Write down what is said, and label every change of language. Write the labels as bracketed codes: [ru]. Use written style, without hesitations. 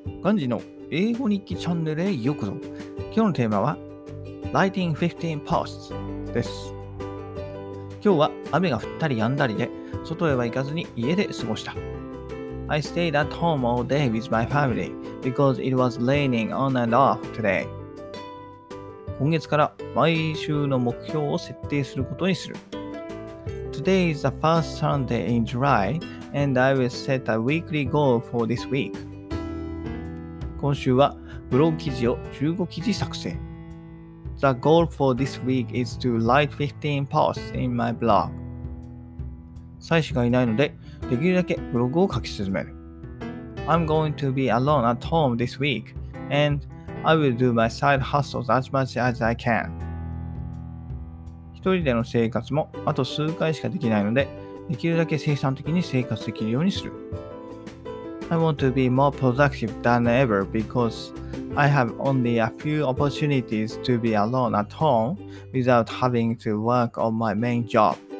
[ja] ガンジの英語日記チャンネルへようこそ。今日のテーマは [en] Lighting 15 Posts [ja] です。今日は雨が降ったり止んだりで外へは行かずに家で過ごした。 [en] I stayed at home all day with my family because it was raining on and off today。 [ja] 今月から毎週の目標を設定することにする。 [en] Today is the first Sunday in July and I will set a weekly goal for this week。 [ja] 今週はブログ記事を15記事作成。 [en] The goal for this week is to write 15 posts in my blog。 [ja] 妻子がいないのでできるだけブログを書き進める。 [en] I'm going to be alone at home this week and I will do my side hustles as much as I can。 [ja] 一人での生活もあと数回しかできないのでできるだけ生産的に生活できるようにする。 [en] I want to be more productive than ever because I have only a few opportunities to be alone at home without having to work on my main job。